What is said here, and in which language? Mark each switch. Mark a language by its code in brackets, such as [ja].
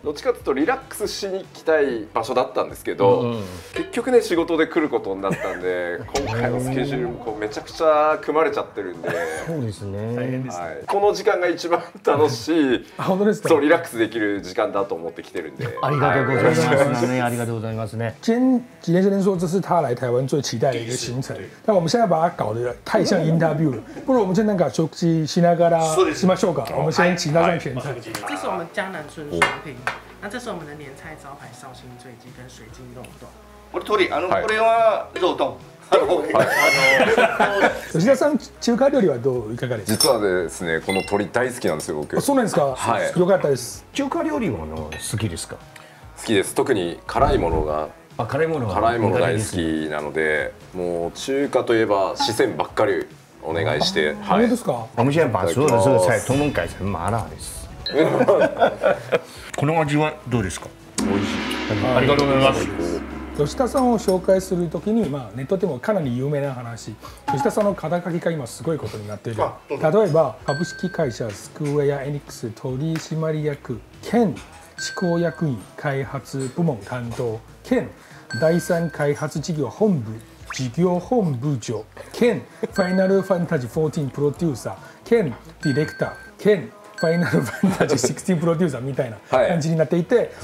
[ja] どっちかというとリラックスしに来たい場所だったんですけど、結局ね、仕事で来ることになったんで、今回のスケジュールもこうめちゃくちゃ組まれちゃってるんで。そうですね、大変です、はい、この時間が一番楽しい。本当ですか？そう、リラックスできる時間だと思って来てるんで。ありがとうございます、はい、ありがとうございますね。 [zh] 今日、吉田先生说这是他来台湾最期待的一个行程。但我们现在把他搞得太像インタビュー了。不如我们就那个 [ja] 休息しながらしましょうか。 [zh] 我们先请他上前菜。这是我们江南村双拼，那这是我们的年菜招牌绍兴醉鸡跟水晶肉冻。我的徒弟，これは肉冻。 [ja] 吉田さん、中華料理はどういかがですか？実はですね、この鶏大好きなんですよ、僕。そうなんですか？はい。よかったです。中華料理は好きですか？好きです。特に辛いものが、あ、辛いものは、辛いもの大好きなので、もう中華といえば四川ばっかりお願いして、はい。本当ですか？ [zh] 我们现在把所有的这个菜统统改成麻辣 [ja] です。この味はどうですか？美味しい。ありがとうございます。吉田さんを紹介するときに、まあ、ネットでもかなり有名な話、吉田さんの肩書きが今すごいことになっている。例えば株式会社スクウェアエニックス取締役兼執行役員開発部門担当兼第三開発事業本部事業本部長兼ファイナルファンタジー14プロデューサー兼ディレクター兼ファイナルファンタジー16プロデューサーみたいな感じになっていて、はい、